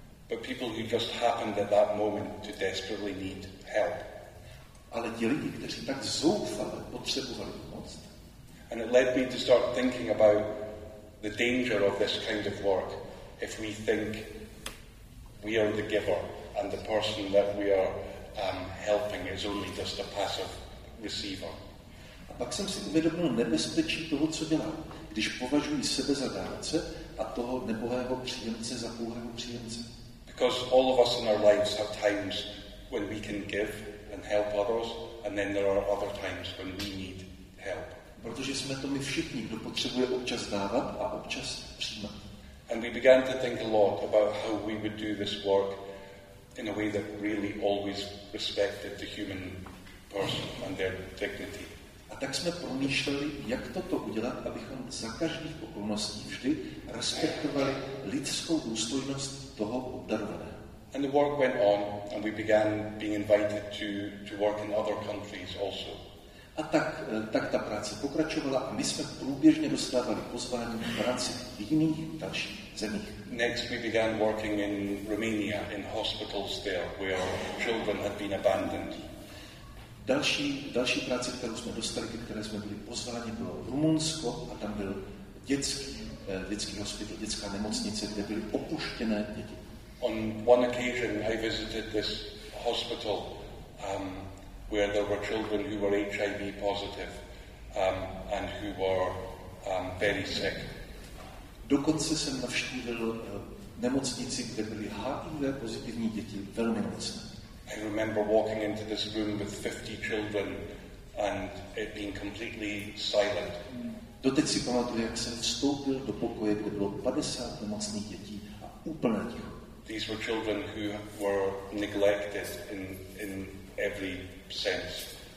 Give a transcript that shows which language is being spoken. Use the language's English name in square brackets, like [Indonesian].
[English] But people who just happened at that moment to desperately need help. [Czech] Ale ti lidi, kteří tak zoufale potřebovali pomoc. [English] And it led me to start thinking about the danger of this kind of work if we think we are the giver and the person that we are helping is only just a passive receiver. [Czech] A pak jsem si uvědomil nebezpečí toho, co dělám, když považuji sebe za dárce a toho nebohého příjemce za pouhého příjemce. [English] Because all of us in our lives have times when we can give and help others, and then there are other times when we need help. [Czech] Protože jsme to my všichni, kdo potřebuje občas dávat a občas přijímat. [English] And we began to think a lot about how we would do this work in a way that really always respected the human person and their dignity. [Czech] A tak jsme promýšleli, jak toto udělat, abychom za každých okolností vždy respektovali lidskou důstojnost toho obdarovaného. [English] And the work went on, and we began being invited to work in other countries also. [Czech] A tak ta práce pokračovala a my jsme průběžně dostávali pozvání k práci v jiných dalších zemích. [English] Next we began working in Romania in hospitals there where children had been abandoned. [Czech] Další práce, kterou jsme dostali, ke které jsme byli pozváni, bylo Rumunsko a tam byl dětský hospital, dětská nemocnice, kde byly opuštěné děti. [English] On one occasion I visited this hospital where there were children who were HIV positive and who were very sick. [Czech] Dokonce jsem navštívil nemocnici, kde byly HIV pozitivní děti velmi nemocné. [English] I remember walking into this room with 50 children and it being completely silent. [Czech] Doteď si pamatuju, jak jsem vstoupil do pokoje, kde bylo 50 nemocných dětí a úplně ticho. [English] These were children who were neglected in every sense.